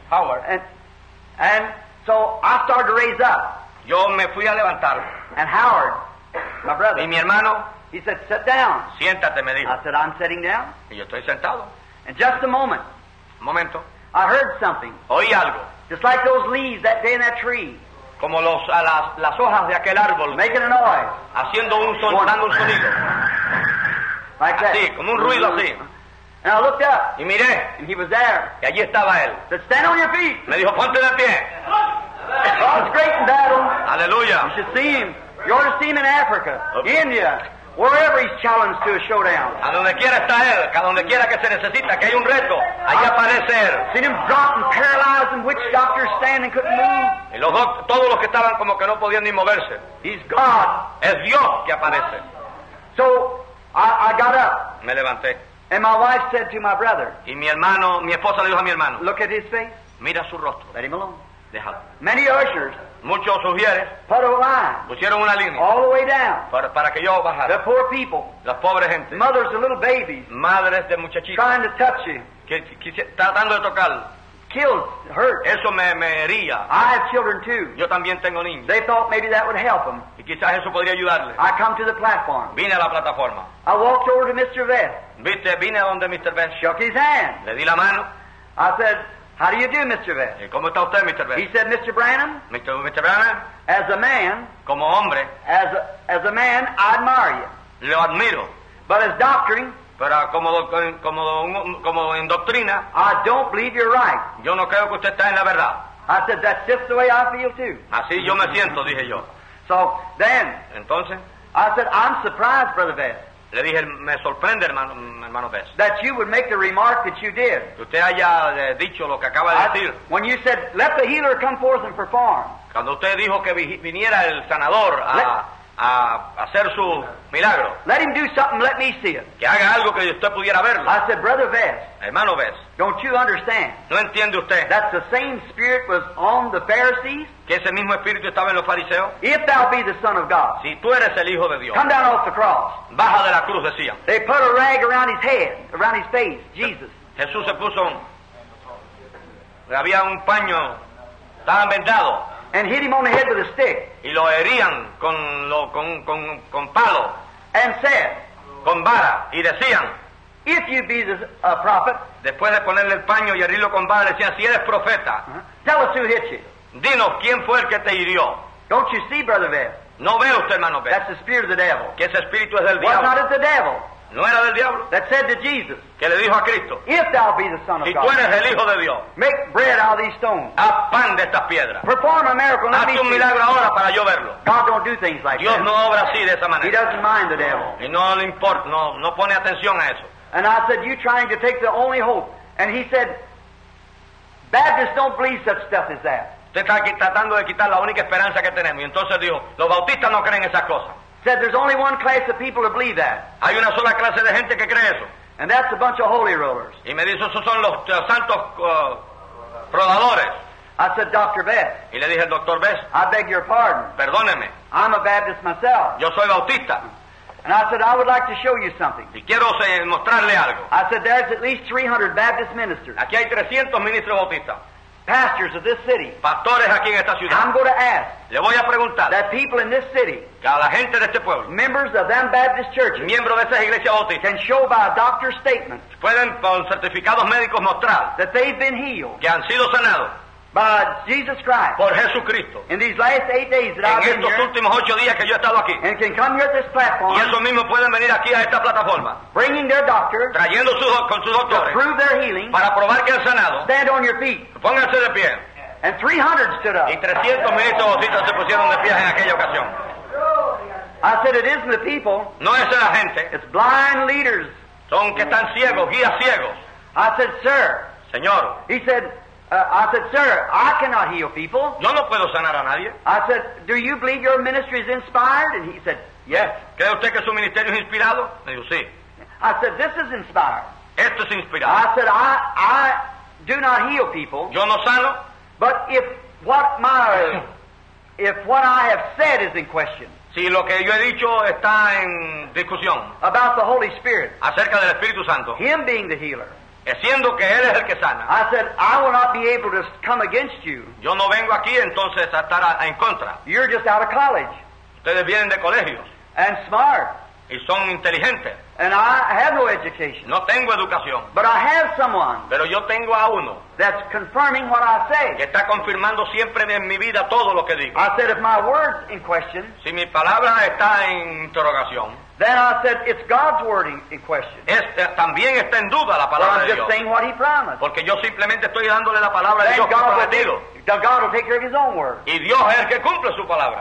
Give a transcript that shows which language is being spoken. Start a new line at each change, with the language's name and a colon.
English: Howard. And so I started to raise up.
Spanish: Yo me fui a levantar.
English: And Howard, my brother.
Spanish: Y mi hermano.
English: He said, sit down.
Spanish: Siéntate, me dijo.
English: I said, I'm sitting down.
Spanish: Y yo estoy sentado.
English: And just a moment.
Spanish: Un momento.
English: I heard something.
Spanish: Oí algo.
English: Just like those leaves that day in that tree.
Spanish: Como los, a las hojas de aquel árbol.
English: Making a noise.
Spanish: Haciendo un son, dando un sonido.
English: Like
Spanish: así,
English: that.
Spanish: Como un ruido así.
English: And I looked up.
Spanish: Y miré.
English: And he was there.
Spanish: Y allí estaba él.
English: Said, stand on your feet.
Spanish: Me dijo, ponte de pie.
English: God's great in battle.
Spanish: Aleluya.
English: You should see him. You ought to see him in Africa, okay. India, wherever he's challenged to a showdown.
Spanish: A donde quiera está él, a donde quiera que se necesita, que hay un reto, ahí aparece él.
English: Seen him dropping, paralyzed, and witch doctors standing, couldn't move.
Spanish: Y los todos los que estaban como que no podían ni moverse.
English: He's God.
Spanish: Es Dios que aparece.
English: So, I got up.
Spanish: Me levanté.
English: And my wife said to my brother.
Spanish: Y mi hermano, mi esposa le dijo a mi hermano.
English: Look at his face.
Spanish: Mira su rostro.
English: Let him alone.
Spanish: Déjalo.
English: Many ushers.
Spanish: Muchos ujieres
English: put a line,
Spanish: pusieron una línea
English: all the way down,
Spanish: para que yo bajara.
English: The poor people,
Spanish: las pobres gente,
English: mothers and little babies,
Spanish: madres de muchachitos,
English: trying to touch you,
Spanish: que tratando de tocarlo,
English: killed, hurt.
Spanish: Eso me hería.
English: I have children too.
Spanish: Yo también tengo niños.
English: They thought maybe that would help them.
Spanish: Y quizás eso podría ayudarle.
English: I come to the platform.
Spanish: Vine a la plataforma.
English: I walked over to Mr. Vest.
Spanish: Viste, vine a donde Mr. Vest.
English: Shook his hand.
Spanish: Le di la mano.
English: I said, how do you do, Mr. Vest?
Spanish: ¿Y cómo está usted, Mr. Vest?
English: He said, Mr. Branham.
Spanish: Mr. Branham.
English: As a man.
Spanish: Como hombre.
English: As a man, I admire you.
Spanish: Lo admiro.
English: But as doctrine.
Spanish: Pero como en doctrina.
English: I don't believe you're right.
Spanish: Yo no creo que usted está en la verdad.
English: I said, that's just the way I feel too.
Spanish: Así yo me siento, dije yo.
English: So then.
Spanish: Entonces.
English: I said, I'm surprised, Brother Vest.
Spanish: Le dije, me sorprende, hermano Vest.
English: That you would make the remark that you did.
Spanish: Que usted haya dicho lo que acaba de decir.
English: When you said, let the healer come forth and perform.
Spanish: Cuando usted dijo que viniera el sanador a hacer su milagro.
English: Let him do something, let me see it.
Spanish: Que haga algo que usted pudiera verlo.
English: I said, Brother Vest.
Spanish: Hermano Vest.
English: Don't you understand?
Spanish: No entiende usted.
English: That the same spirit was on the Pharisees.
Spanish: Que ese mismo espíritu estaba en los fariseos.
English: If thou be the Son of God.
Spanish: Si tú eres el Hijo de Dios.
English: Come down off the cross.
Spanish: Baja de la cruz, decía.
English: They put a rag around his head, around his face, Jesus.
Spanish: Jesús se puso había un paño, estaban vendados.
English: And hit him on the head with a stick.
Spanish: Y lo herían con palo.
English: And said,
Spanish: con vara. Y decían,
English: if you be the prophet,
Spanish: después de ponerle el paño y herirlo con vara, decían, si eres profeta,
English: tell us who hit you.
Spanish: Dinos, ¿quién fue el que te hirió?
English: Don't you see, Brother Vest?
Spanish: No ve usted, hermano Vest.
English: That's the spirit of the devil.
Spanish: Que ese espíritu es del diablo.
English: Was not it the devil?
Spanish: No era del diablo.
English: That said to Jesus,
Spanish: que le dijo a Cristo,
English: if thou be the Son of
Spanish: si
English: God,
Spanish: tú eres el Hijo de Dios,
English: make bread out of these stones.
Spanish: Haz pan de estas piedras.
English: Perform a miracle.
Spanish: Haz un milagro ahora para yo verlo.
English: God don't do things like
Spanish: Dios
English: that.
Spanish: No obra así de esa manera.
English: He doesn't mind the devil.
Spanish: Y no le importa, no pone atención a eso.
English: And I said, you trying to take the only hope. And he said, Baptists don't believe such stuff as that.
Spanish: Usted está aquí tratando de quitar la única esperanza que tenemos. Y entonces dijo, los bautistas no creen esas cosas.
English: Said there's only one class of people who believe that.
Spanish: Hay una sola clase de gente que cree eso.
English: And that's a bunch of holy rollers.
Spanish: Y me dijo, esos son los santos prodadores.
English: I said, Dr. Vest.
Spanish: Y le dije, Dr. Vest.
English: I beg your pardon.
Spanish: Perdóneme.
English: I'm a Baptist myself.
Spanish: Yo soy bautista.
English: And I said, I would like to show you something.
Spanish: Y quiero mostrarle algo.
English: I said, there's at least 300 Baptist ministers.
Spanish: Aquí hay 300 ministros bautistas.
English: Pastors of this city.
Spanish: Pastores aquí en esta ciudad.
English: I'm going to ask.
Spanish: Le voy a preguntar.
English: That people in this city.
Spanish: A la gente de este pueblo.
English: Members of them Baptist churches.
Spanish: Miembros de esas iglesias bautistas.
English: Can show by a doctor's statement.
Spanish: Pueden con certificados médicos mostrar.
English: That they've been healed.
Spanish: Que han sido sanados.
English: By Jesus Christ.
Spanish: Por Jesucristo.
English: In these last 8 days that I've been here.
Spanish: En estos últimos 8 días que yo he estado aquí.
English: And can come here at this platform.
Spanish: Y esos mismos pueden venir aquí a esta plataforma.
English: Bringing their doctor.
Spanish: Trayendo con sus doctores.
English: To prove their healing.
Spanish: Para probar que han sanado.
English: Stand on your feet.
Spanish: Pónganse de pie.
English: And 300 stood up.
Spanish: Y 300 ministros bautistas se pusieron de pie en aquella ocasión.
English: I said it isn't the people.
Spanish: No es la gente.
English: It's blind leaders.
Spanish: Son que están ciegos, guías ciegos.
English: I said, sir.
Spanish: Señor.
English: He said, I said, sir, I cannot heal people.
Spanish: Yo no puedo sanar a nadie.
English: I said, do you believe your ministry is inspired? And he said, yes.
Spanish: ¿Cree usted que su ministerio es inspirado? Me dijo, sí.
English: I said, this is inspired.
Spanish: Esto es inspirado.
English: I said, I do not heal people.
Spanish: Yo no sano.
English: But if what I have said is in question.
Spanish: Si lo que yo he dicho está en discusión.
English: About the Holy Spirit.
Spanish: Acerca del Espíritu Santo.
English: Him being the healer.
Spanish: Siendo que él es el que sana.
English: I said, I will not be able to come against you.
Spanish: Yo no vengo aquí entonces a estar en contra.
English: You're just out of college.
Spanish: Ustedes vienen de colegios.
English: And smart.
Spanish: Y son inteligentes.
English: And I have no education.
Spanish: No tengo educación.
English: But I have someone.
Spanish: Pero yo tengo a uno.
English: That's confirming what I say.
Spanish: Que está confirmando siempre en mi vida todo lo que digo.
English: I said, if my word's in question.
Spanish: Si mi palabra está en interrogación.
English: Then I said, it's God's word in question.
Spanish: También está en duda la palabra de Dios.
English: I'm just saying what he promised.
Spanish: Porque yo simplemente estoy dándole la palabra de Dios que prometido.
English: God will take care of his own word.
Spanish: Y Dios es el que cumple su palabra.